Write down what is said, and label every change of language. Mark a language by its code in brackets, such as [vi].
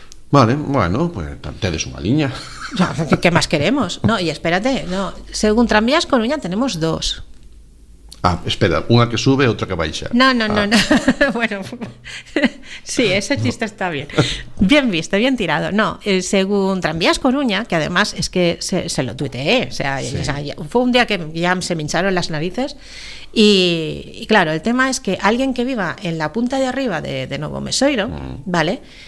[gl] Vale, bueno, pues tedes unha liña. Que máis queremos? [es] No, e espérate, no, según Tranvías Coruña tenemos dos. [gl] Ah, espera, unha que sube e outra que baixa. [es] No. Bueno, sí, ese chiste está bien. Bien visto, bien tirado. No, según Tranvías Coruña, que además es que se lo tuiteé, o sea, sí, o sea, fue un día que ya se me hincharon las narices. Y claro, el tema es que alguien que viva en la punta de arriba de Novo Mesoiro, ¿vale?